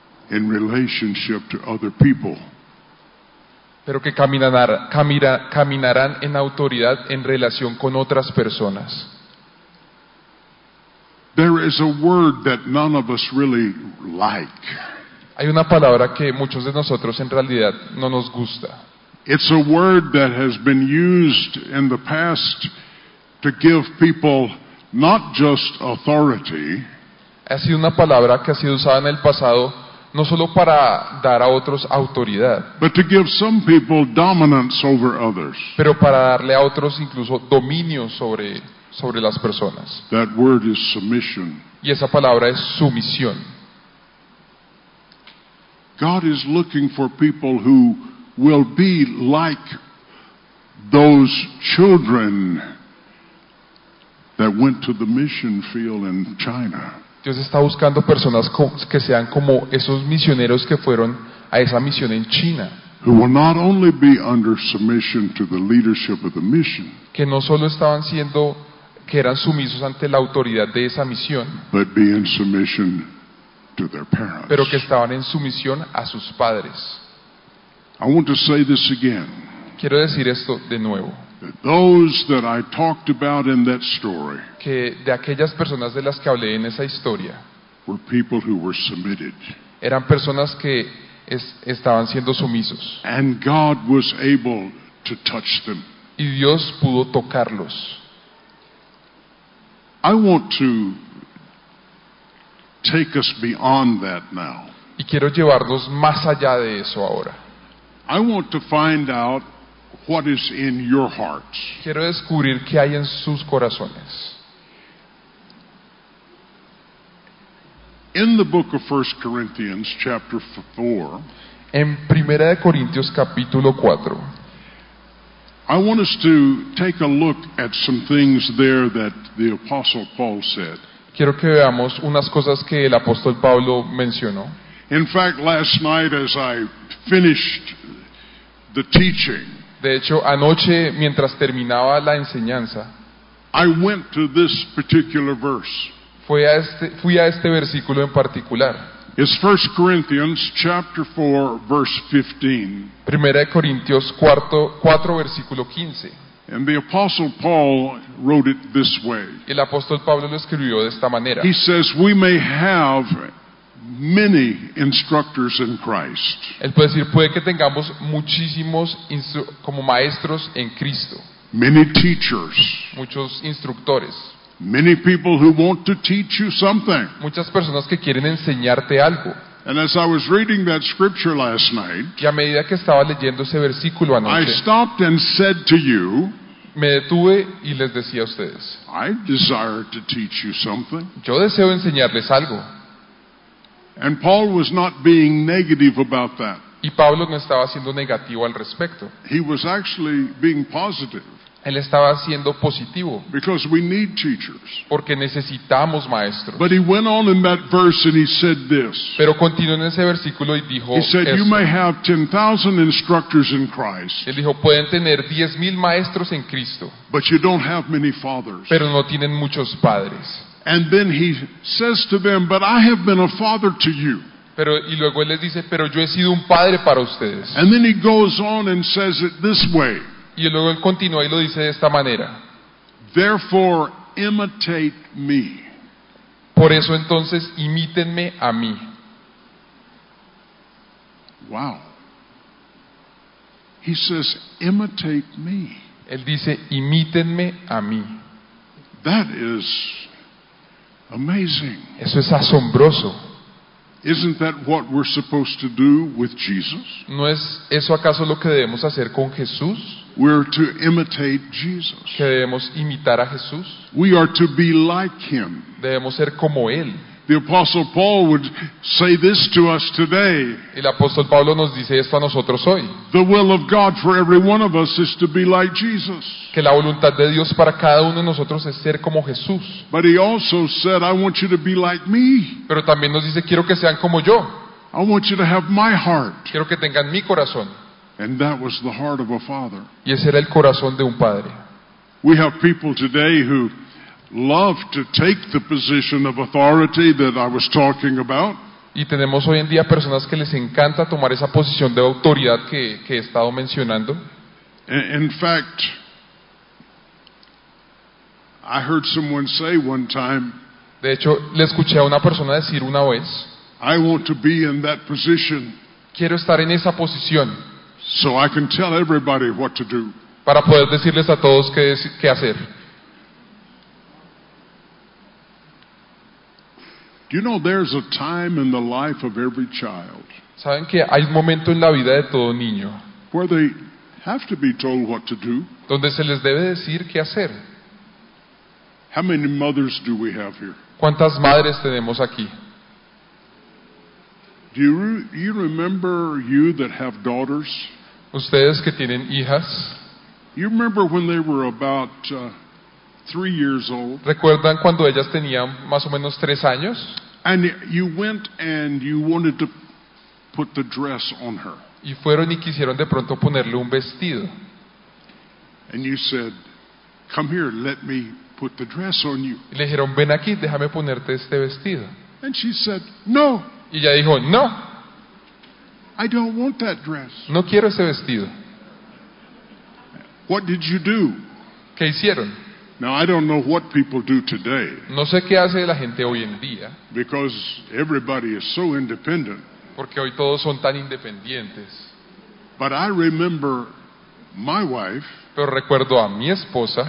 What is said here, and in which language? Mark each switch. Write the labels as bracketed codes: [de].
[en] In relationship to other people. [es] Pero que caminarán en autoridad en relación con otras personas. [en] There is a word that none of us really like. [es] Hay una palabra que muchos de nosotros en realidad no nos gusta. [en] It's a word that has been used in the past to give people not just authority. [es] Ha sido una palabra que ha sido usada en el pasado no solo para dar a otros autoridad, [en] but to give some people dominance over others. [es] Pero para darle a otros incluso dominio sobre las personas. [en] That word is submission. [es] Y esa palabra es sumisión. [en] God is looking for people who will be like those children that went to the mission field in China. [es] Dios está buscando personas que sean como esos misioneros que fueron a esa misión en China. [en] Who will not only be under submission to the leadership of the mission. [es] Que no solo estaban siendo, que eran sumisos ante la autoridad de esa misión. [en] But be in submission to their parents. [es] Pero que estaban en sumisión a sus padres. [en] I want to say this again. [es] Quiero decir esto de nuevo. [en] Those that I talked about in that story. [es] Que de aquellas personas de las que hablé en esa historia. [en] Were people who were submitted. [es] Eran personas que estaban siendo sumisos. [en] And God was able to touch them. [es] Y Dios pudo tocarlos. [en] I want to take us beyond that now. [es] Y quiero llevarnos más allá de eso ahora. [en] I want to find out what is in your hearts. [es] Quiero descubrir qué hay en sus corazones. [en] In the book of 1 Corinthians chapter 4. [es] En Primera de Corintios capítulo 4. [en] I want us to take a look at some things there that the apostle Paul said. [es] Quiero que veamos unas cosas que el apóstol Pablo mencionó. [en] In fact, last night as I finished the teaching, [es] de hecho, anoche, mientras terminaba la enseñanza, [en] I went to this particular verse. [es] Fui a este versículo en particular. [en] It's 1 Corinthians chapter 4, verse 15. [es] Primera de Corintios 4, versículo 15. [en] And the apostle Paul wrote it this way. [es] El apóstol Pablo lo escribió de esta manera. [en] He says, "We may have many instructors in Christ." [es] Él puede decir, puede que tengamos muchísimos como maestros en Cristo. [en] Many teachers. [es] Muchos instructores. [en] Many people who want to teach you something. [es] Muchas personas que quieren enseñarte algo. [en] And as I was reading that scripture last night, [es] y a medida que estaba leyendo ese versículo anoche, [en] I stopped and said to you, [es] me detuve y les decía a ustedes, [en] I desire to teach you something. [es] Yo deseo enseñarles algo. [en] And Paul was not being negative about that. [es] Y Pablo no estaba siendo negativo al respecto. [en] He was actually being positive. [es] Él estaba siendo positivo. [en] Because we need teachers. [es] Porque necesitamos maestros. [en] But he went on in that verse and he said this. [es] Pero continuó en ese versículo y dijo esto. [en] He said, [es] esto. [en] "You may have 10,000 instructors in Christ." [es] Él dijo, pueden tener 10,000 maestros en Cristo. [en] But you don't have many fathers. [es] Pero no tienen muchos padres. [en] And then he says to them, "But I have been a father to you." [es] Pero, y luego él les dice, pero yo he sido un padre para ustedes. [en] And then he goes on and says it this way. [es] Y luego él continúa y lo dice de esta manera. [en] Therefore, imitate me. [es] Por eso entonces, imítenme a mí. [en] Wow. He says, imitate me. [es] Él dice, imítenme a mí. [en] That is amazing. [es] Eso es asombroso. [en] Isn't that what we're supposed to do with Jesus? [es] ¿No es eso acaso lo que debemos hacer con Jesús? [en] We're to imitate Jesus. [es] ¿Que debemos imitar a Jesús? [en] We are to be like him. [es] Debemos ser como él. [en] The apostle Paul would say this to us today. [es] El apóstol Pablo nos dice esto a nosotros hoy. [en] The will of God for every one of us is to be like Jesus. [es] Que la voluntad de Dios para cada uno de nosotros es ser como Jesús. [en] But he also said, "I want you to be like me." [es] Pero también nos dice, "Quiero que sean como yo." [en] I want you to have my heart. [es] Quiero que tengan mi corazón. [en] And that was the heart of a father. [es] Y ese era el corazón de un padre. [en] We have people today who love to take the position of authority that I was talking about. [es] Y tenemos hoy en día personas que les encanta tomar esa posición de autoridad que he estado mencionando. [en] In fact, I heard someone say one time. [es] De hecho, le escuché a una persona decir una vez. [en] I want to be in that position. [es] Quiero estar en esa posición. [en] So I can tell everybody what to do. [es] Para poder decirles a todos qué hacer. [en] Do you know there's a time in the life of every child? [es] ¿Saben que hay un momento en la vida de todo niño? [en] Where they have to be told what to do. [es] Donde se les debe decir qué hacer. [en] How many mothers do we have here? [es] ¿Cuántas madres tenemos aquí? [en] Do you remember you that have daughters? [es] ¿Ustedes que tienen hijas? [en] You remember when they were about 3 years old. [es] ¿Recuerdan cuando ellas tenían más o menos 3 años? [en] And you went and you wanted to put the dress on her. [es] Y fueron y quisieron de pronto ponerle un vestido. [en] And you said, "Come here, let me put the dress on you." [es] Y le dijeron, "Ven aquí, déjame ponerte este vestido." [en] And she said, "No." [es] Y ella dijo, "No." [en] I don't want that dress. [es] No quiero ese vestido. [en] What did you do? [es] ¿Qué hicieron? [en] Now I don't know what people do today. [es] No sé qué hace la gente hoy en día. [en] Because everybody is so independent. [es] Porque hoy todos son tan independientes. [en] But I remember my wife. [es] Pero recuerdo a mi esposa.